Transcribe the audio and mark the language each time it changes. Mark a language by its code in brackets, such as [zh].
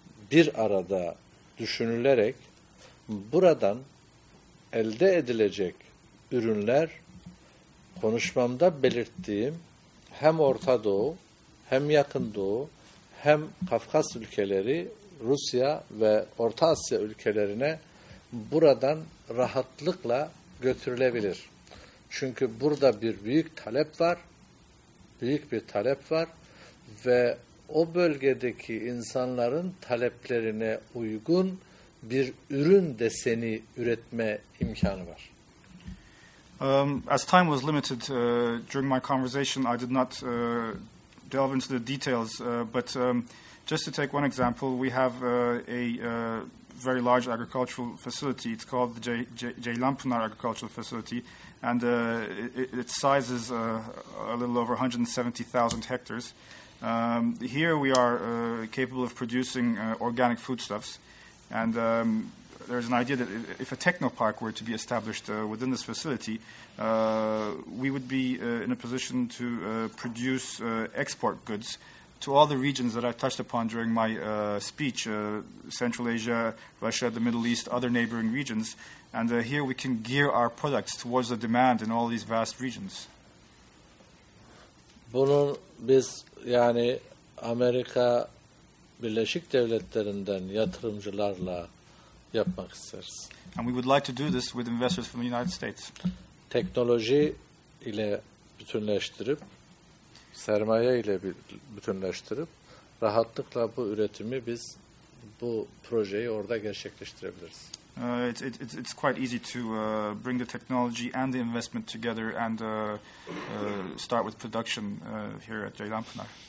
[tr] bir arada düşünülerek buradan elde edilecek ürünler, konuşmamda belirttiğim hem Orta Doğu hem Yakın Doğu hem Kafkas ülkeleri, Rusya ve Orta Asya ülkelerine buradan rahatlıkla götürülebilir. Çünkü burada bir büyük talep var. Büyük bir talep var. Ve o bölgedeki insanların taleplerine uygun bir ürün deseni üretme imkanı var. [en] As time was limited during my conversation, I did not delve into the details. But just to take one example, we have very large agricultural facility. It's called the Ceylanpınar Agricultural Facility, and its size is a little over 170,000 hectares. Here we are capable of producing organic foodstuffs, and there is an idea that if a technopark were to be established within this facility, we would be in a position to produce export goods to all the regions that I touched upon during my speech, Central Asia, Russia, the Middle East, other neighboring regions. And here we can gear our products towards the demand in all these vast regions. [tr] Bunu biz, yani Amerika Birleşik Devletleri'nden yatırımcılarla yapmak isteriz. [en] And we would like to do this with investors from the United States. [tr] Teknoloji ile bütünleştirip, sermaye ile bütünleştirip rahatlıkla bu üretimi biz bu projeyi orada gerçekleştirebiliriz. [en] It's quite easy to bring the technology and the investment together and start with production here at Ceylanpınar.